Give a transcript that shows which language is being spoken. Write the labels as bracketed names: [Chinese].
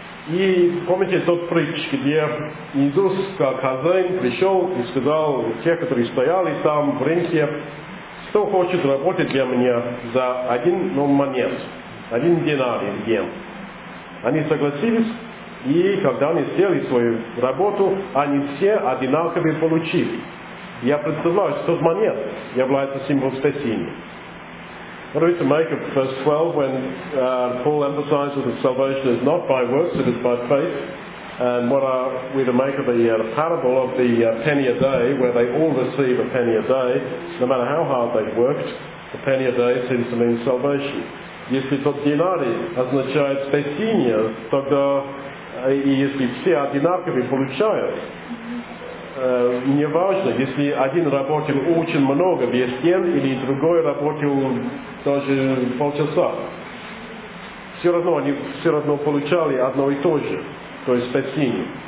[Russian] И помните тот притч, где Иисус, как хозяин, пришел и сказал те, которые стояли там в рынке, кто хочет работать для меня за один динарий в день. Они согласились, и когда они сделали свою работу, они все одинаково получили. Я представляю, что тот монет является символом спасения. [English] What do we make of verse 12, when Paul emphasizes that salvation is not by works, it is by faith? And what are we to make of the parable of the penny a day, where they all receive a penny a day, no matter how hard they've worked? A penny a day seems to mean salvation. [Russian] Если тот динарий означает спасение, тогда и если все одинаковые получают, не важно, если один работал очень много весь день, или другой работал даже полчаса, все равно они все равно получали одно и то же, то есть спасение.